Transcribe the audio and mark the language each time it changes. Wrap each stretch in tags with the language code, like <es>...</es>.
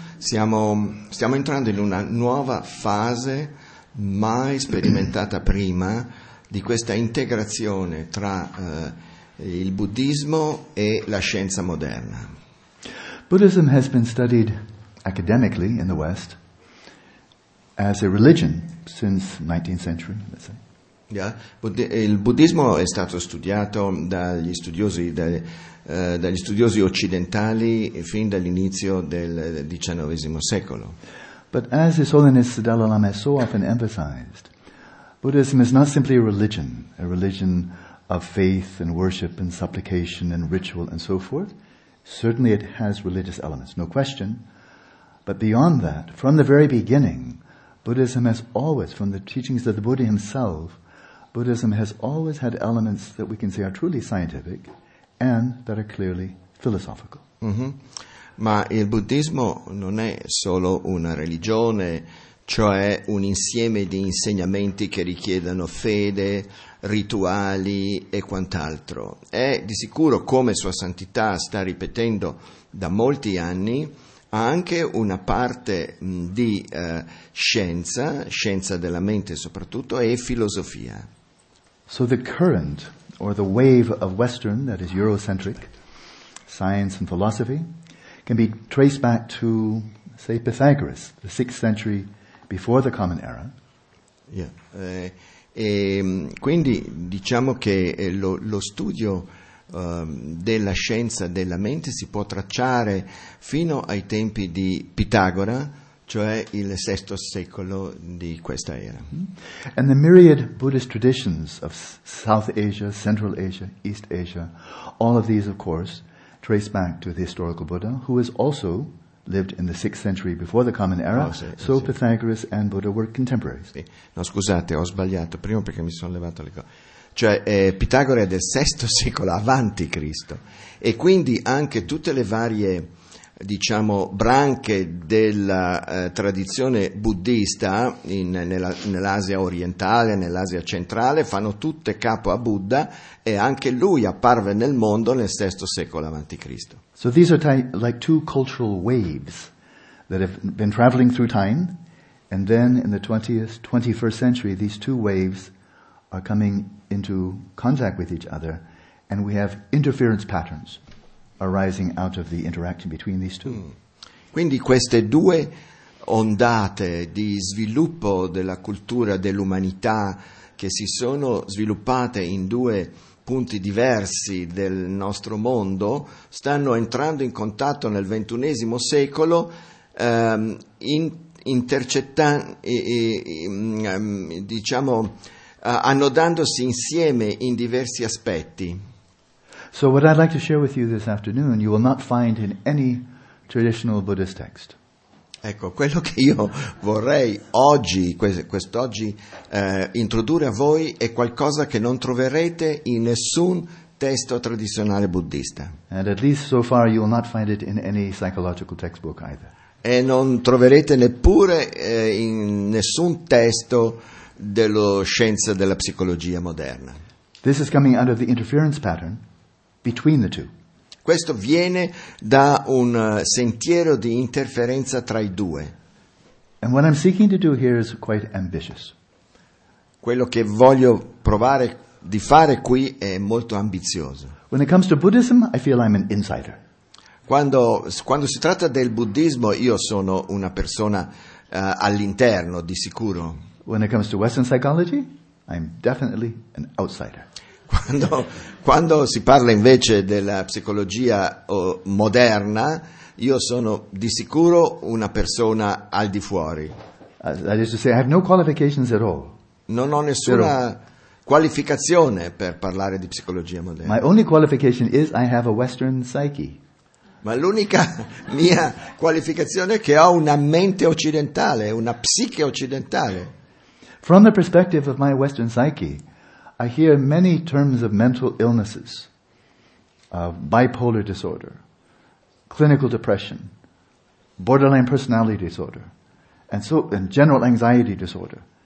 <it>Stiamo entrando in una nuova fase mai sperimentata prima di questa integrazione tra il buddismo e la scienza moderna.</it> <en>Buddhism has been studied academically in the West as a religion since 19th century, let's say. Yeah.</en> <it>Il buddismo è stato studiato dagli studiosi dagli studiosi occidentali fin dall'inizio del XIX secolo.</it> <en>But as His Holiness the Dalai Lama has so often emphasized, Buddhism is not simply a religion of faith and worship and supplication and ritual and so forth. Certainly it has religious elements, no question. But beyond that, from the very beginning, Buddhism has always, from the teachings of the Buddha himself, Buddhism has always had elements that we can say are truly scientific and that are clearly philosophical. Mm-hmm.</en> <it>Ma il buddismo non è solo una religione, cioè un insieme di insegnamenti che richiedono fede, rituali e quant'altro. È di sicuro, come Sua Santità sta ripetendo da molti anni, anche una parte di scienza, scienza della mente soprattutto, e filosofia.</it> <en>So the current, or the wave of Western, that is Eurocentric, science and philosophy, can be traced back to, say, Pythagoras, the 6th century before the Common Era. Yeah.</en> <it>Quindi diciamo che lo studio della scienza della mente si può tracciare fino ai tempi di Pitagora, cioè il VI secolo di questa era.</it> <en>And the myriad Buddhist traditions of South Asia, Central Asia, East Asia, all of these, of course, trace back to the historical Buddha, who has also lived in the 6th century before the Common Era.</en> <it>Oh, sì,</it> <en>so</en> <it>sì.</it> <en>Pythagoras and Buddha were contemporaries.</en> <it>Sì. No, scusate, ho sbagliato prima perché mi sono levato le cose. Cioè, Pitagora è del VI secolo avanti Cristo, e quindi anche tutte le varie, diciamo, branche della tradizione buddista nell'Asia orientale, nell'Asia centrale, fanno tutte capo a Buddha, e anche lui apparve nel mondo nel VI secolo avanti Cristo.</it> <en>So these are like two cultural waves that have been traveling through time, and then in the 21st century these two waves are coming into contact with each other, and we have interference patterns arising out of the interaction between these two.</en> <it>Quindi queste due ondate di sviluppo della cultura dell'umanità che si sono sviluppate in due punti diversi del nostro mondo stanno entrando in contatto nel XXI secolo annodandosi insieme in diversi aspetti.</it> <en>So what I'd like to share with you this afternoon you will not find in any traditional Buddhist text.</en> <it>Ecco, quello che io vorrei oggi, quest'oggi, introdurre a voi è qualcosa che non troverete in nessun testo tradizionale buddista.</it> <en>And at least so far you will not find it in any psychological textbook either.</en> <it>E non troverete neppure in nessun testo dello scienza della psicologia moderna.</it> <en>This is coming out of the interference pattern between the two.</en> <it>Questo viene da un sentiero di interferenza tra i due.</it> <en>And what I'm seeking to do here is quite ambitious.</en> <it>Quello che voglio provare di fare qui è molto ambizioso.</it> <en>When it comes to Buddhism, I feel I'm an insider.</en> <it>Quando si tratta del buddismo, io sono una persona all'interno, di sicuro.</it> <en>When it comes to Western psychology, I'm definitely an outsider.</en> <it>Quando si parla invece della psicologia moderna, io sono di sicuro una persona al di fuori.</it> <en>That is to say, I have no qualifications at all.</en> <it>Non ho nessuna qualificazione per parlare di psicologia moderna.</it> <en>My only qualification is I have a Western psyche.</en> <it>Ma l'unica mia qualificazione è che ho una mente occidentale, una psiche occidentale.</it> <en>From the perspective of my Western psyche, I hear many terms of mental illnesses, bipolar disorder, clinical depression, borderline personality disorder, and general anxiety disorder.</en>